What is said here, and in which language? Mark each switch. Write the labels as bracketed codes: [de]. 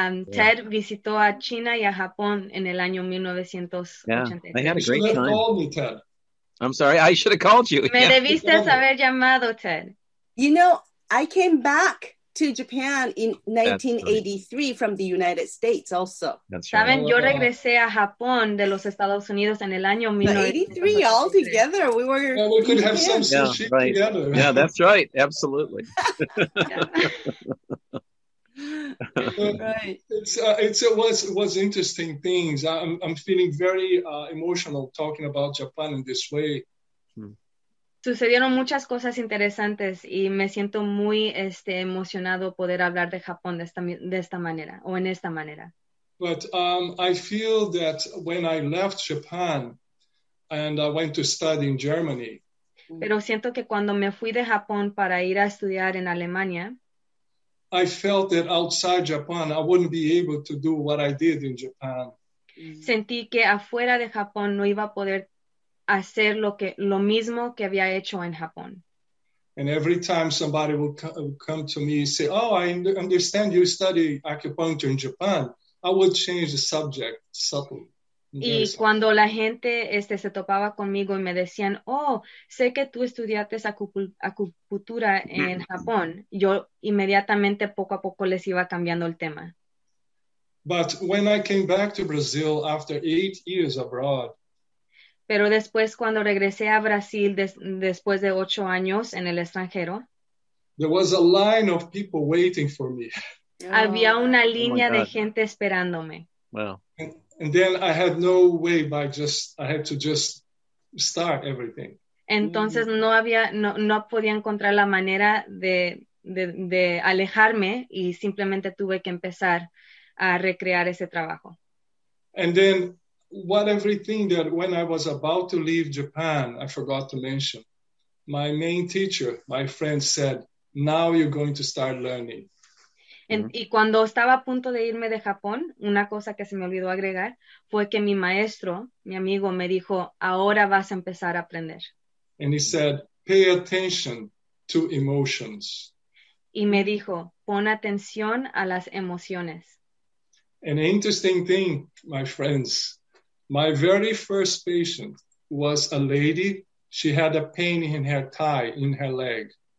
[es] Ted visitó a China y a Japón en el año 1983. [en] Yeah, I had a great time. You should have called me, Ted. I'm sorry, I should have called you. [es] Me debiste haber llamado, Ted. [en] You know, I came back to Japan in 1983 from the United States also. That's right. [es] Saben, yo regresé a Japón de los Estados Unidos en el año [en] 1983 all together. We were we could have some sushi together. Yeah, that's right. Absolutely. It was interesting things. I'm feeling very emotional talking about Japan in this way. [es] Sucedieron muchas cosas interesantes y me siento muy emocionado poder hablar de Japón de esta manera o en esta manera. [en] But I feel that when I left Japan and I went to study in Germany. [es] Pero siento que cuando me fui de Japón para ir a estudiar en Alemania. [en] I felt that outside Japan, I wouldn't be able to do what I did in Japan. [es] Sentí que afuera de Japón no iba a poder hacer lo mismo que había hecho en Japón. [en] And every time somebody would come to me and say, oh, I understand you study acupuncture in Japan, I would change the subject subtly. [es] Y cuando la gente se topaba conmigo y me decían, oh, sé que tú estudiaste acupuntura en Japón, yo inmediatamente poco a poco les iba cambiando el tema. [en] But when I came back to Brazil after 8 years abroad. [es] Pero después cuando regresé a Brasil después de 8 años en el extranjero. [en] There was a line of people waiting for me. [es] Había una línea de gente esperándome. [en] Wow. And then I had no way I had to just start everything. [es] Entonces no podía encontrar la manera de alejarme y simplemente tuve que empezar a recrear ese trabajo. [en] And then what everything that when I was about to leave Japan, I forgot to mention, my main teacher, my friend said, now you're going to start learning. [es] Y cuando estaba a punto de irme de Japón, una cosa que se me olvidó agregar fue que mi maestro, mi amigo, me dijo, ahora vas a empezar a aprender. [en] And he said, pay attention to emotions. [es] Y me dijo, pon atención a las emociones. [en] An interesting thing, my friends, my very first patient was a lady. She had a pain in her thigh, in her leg.